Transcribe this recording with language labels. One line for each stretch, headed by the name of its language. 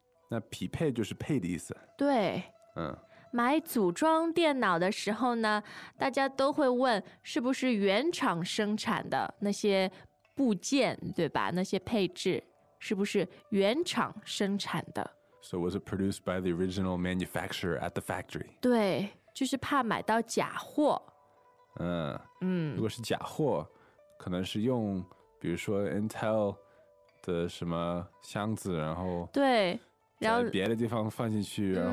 Chinese: 那匹配就是配的意思。对。嗯。买组装电脑的时候呢，大家都会问是不是原厂生产的那些部件，对吧？那些配置是不是原厂生产的。
English: So was it produced by the original manufacturer at the factory?
Chinese: 对，就是怕买到假货。嗯，如果是假货，可能是用比如说 Intel 的什么箱子，然后对，在别的地方放进去，然后